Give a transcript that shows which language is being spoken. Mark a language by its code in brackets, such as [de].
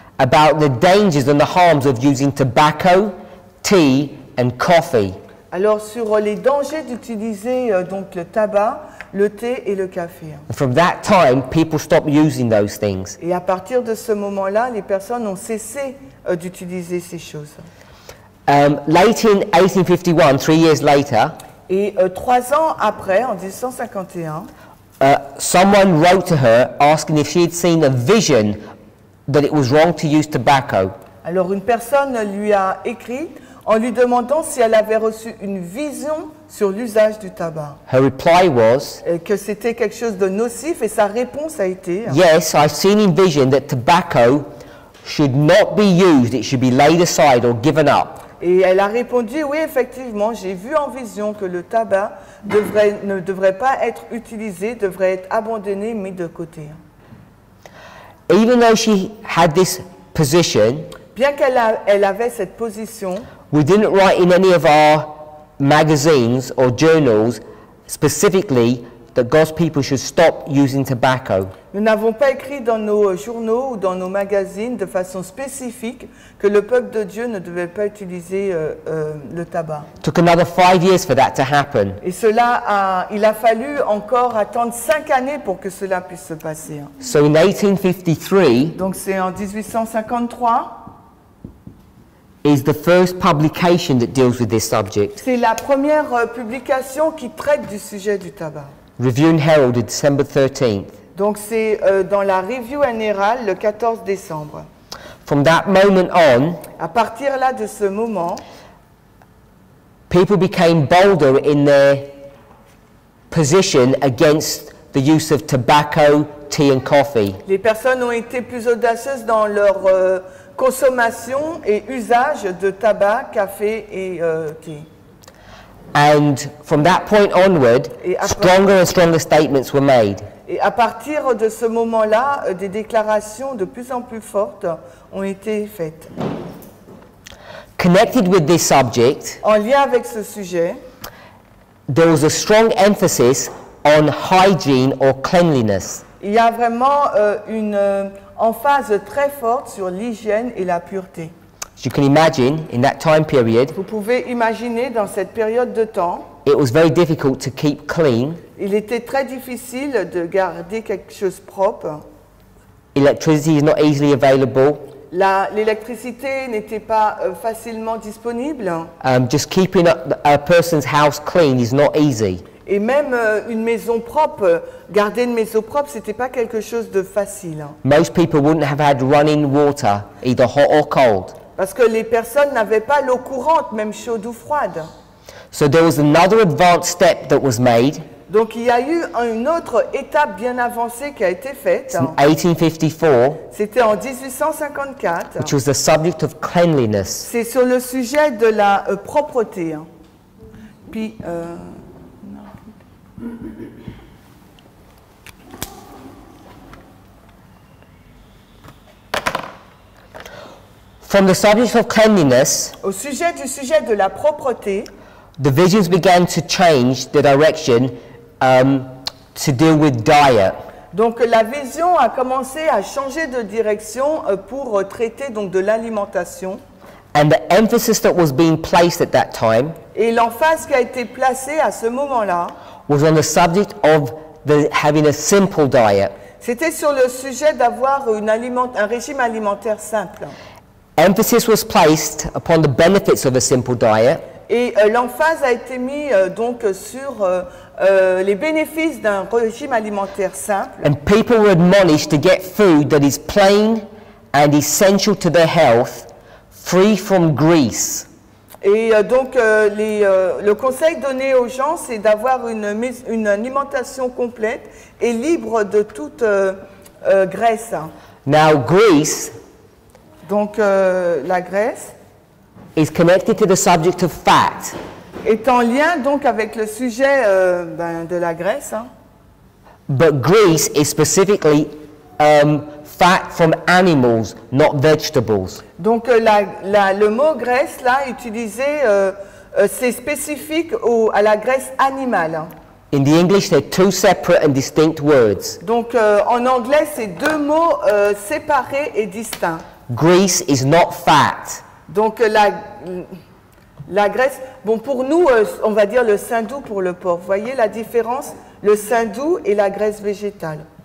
[en] About the dangers and the harms of using tobacco, tea and coffee. [fr] Alors sur les dangers d'utiliser donc le tabac, le thé et le café. [en] And from that time, people stopped using those things. [fr] Et à partir de ce moment-là, les personnes ont cessé d'utiliser ces choses. [en] Late in 1851, 3 years later. [fr] Et 3 ans après, en 1851. [en] Someone wrote to her asking if she had seen a vision that it was wrong to use tobacco. [fr] Alors une personne lui a écrit en lui demandant si elle avait reçu une vision sur l'usage du tabac. [en] Her reply was, [fr] que c'était quelque chose de nocif et sa réponse a été, [en] yes, I've seen in vision that tobacco should not be used, it should be laid aside or given up. [fr] Et elle a répondu, oui, effectivement, j'ai vu en vision que le tabac ne devrait pas être utilisé, devrait être abandonné, mis de côté. [en] Even though she had this position, [fr] bien qu'elle elle avait cette position, [en] we didn't write in any of our magazines or journals specifically that God's people should stop using tobacco. [fr] Nous n'avons pas écrit dans nos journaux ou dans nos magazines de façon spécifique que le peuple de Dieu ne devait pas utiliser le tabac. [en] Took another 5 years for that to happen. [fr] Et cela a, il a fallu encore attendre 5 années pour que cela puisse se passer. [en] So in 1853. [fr] Donc c'est en 1853. [en] Is the first publication that deals with this subject. [fr] C'est la première publication qui traite du sujet du tabac. [en] Review and Herald, December 13th. [fr] Donc c'est dans la Review and Herald le 14 décembre. [en] From that moment on, [fr] à partir là de ce moment, [en] people became bolder in their position against the use of tobacco, tea and coffee. [fr] Les personnes ont été plus audacieuses dans leur consommation et usage de tabac, café et thé. [en] And from that point onward, stronger and stronger statements were made. [fr] Et à partir de ce moment-là, des déclarations de plus en plus fortes ont été faites. [en] Connected with this subject, [fr] en lien avec ce sujet, [en] there was a strong emphasis on hygiene or cleanliness. [fr] Il y a vraiment une emphase très forte sur l'hygiène et la pureté. [en] You can imagine in that time period. [fr] Vous pouvez imaginer dans cette période de temps. [en] It was very difficult to keep clean. [fr] Il était très difficile de garder quelque chose propre. [en] Electricity is not easily available. [fr] L'électricité n'était pas facilement disponible. [en] Just keeping a person's house clean is not easy. [fr] Et même une maison propre, garder une maison propre, c'était pas quelque chose de facile. [en] Most people wouldn't have had running water, either hot or cold. [fr] Parce que les personnes n'avaient pas l'eau courante, même chaude ou froide. [en] So there was another advanced step that was made. [fr] Donc il y a eu une autre étape bien avancée qui a été faite. [en] It's in 1854. [fr] C'était en 1854. [en] Which was the subject of cleanliness. [fr] C'est sur le sujet de la propreté. Puis [en] from the subject of cleanliness, [fr] au sujet du sujet de la propreté, [en] the visions began to change the direction to deal with diet. [fr] Donc la vision a commencé à changer de direction pour traiter donc de l'alimentation. [en] And the emphasis that was being placed at that time, [fr] et l'emphase qui a été placée à ce moment-là, [en] was on the subject of having a simple diet. [fr] C'était sur le sujet d'avoir une un régime alimentaire simple. [en] Emphasis was placed upon the benefits of a simple diet. [fr] Et l'emphase a été mis donc sur les bénéfices d'un régime alimentaire simple. [en] And people were admonished to get food that is plain and essential to their health, free from grease. [fr] Et donc le conseil donné aux gens, c'est d'avoir une alimentation complète et libre de toute graisse. [en] Now grease. [fr] Donc la graisse [en] is connected to the subject of fat. [fr] Est en lien donc avec le sujet de la graisse. Hein. [en] But grease is specifically fat from animals, not vegetables. [fr] Donc le mot graisse là utilisé c'est spécifique à la graisse animale. [en] In the English, they're two separate and distinct words. [fr] Donc en anglais, c'est deux mots séparés et distincts. [en] Grease is not fat. [fr] Donc la graisse, bon pour nous, on va dire le sein doux pour le porc. Voyez la différence, le sein doux et la graisse végétale.